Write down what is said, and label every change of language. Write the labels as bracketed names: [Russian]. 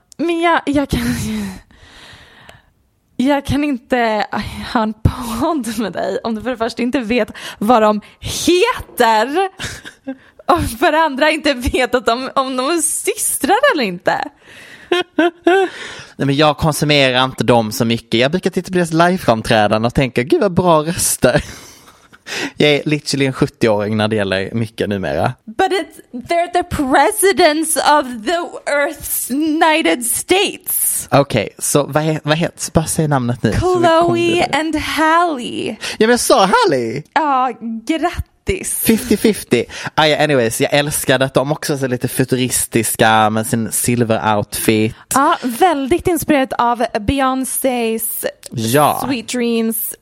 [Swedish] Men jag kan inte ha en podd med dig om du för det första inte vet vad de heter och för det andra inte vet att om de är systrar eller inte. Nej, men jag konsumerar inte dem så mycket. Jag brukar titta på deras live-framträdande och tänka, gud vad bra röster. Jag är literally en 70-åring när det gäller mycket numera. [English] But they're the presidents of the Earth's United States. [Swedish] Okej, okay, så so vad heter, bara säg namnet nu. Chloe and Hallie. Ja, men jag sa Hallie. Ja, grattis. 50-50. Ah, yeah, anyways, jag älskade att de också är lite futuristiska med sin silver outfit. Ja, väldigt inspirerat av Beyoncé's Sweet Dreams.